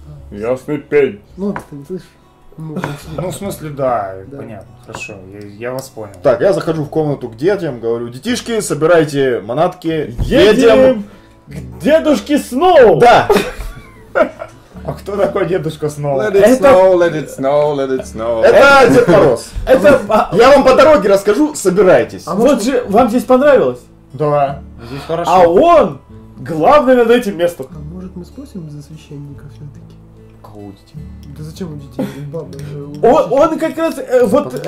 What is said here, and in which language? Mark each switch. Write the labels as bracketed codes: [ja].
[ru] Ясный пень. Ну, ты слышишь. Ну, в смысле, да, понятно. Хорошо, я вас понял. Так, я захожу в комнату к детям, говорю, детишки, собирайте манатки. Едем к дедушке Сноу! Да! А кто такой дедушка Сноу? [en] Let it snow, let it snow, let it snow. [ru] Это Дед Мороз. Это... Я вам по дороге расскажу, собирайтесь. А вот же, вам здесь понравилось? Да. Здесь хорошо. А он главный над этим местом. А может мы спросим за священника все-таки? Детей. Да зачем у детей? Баба, он как раз, вот пока.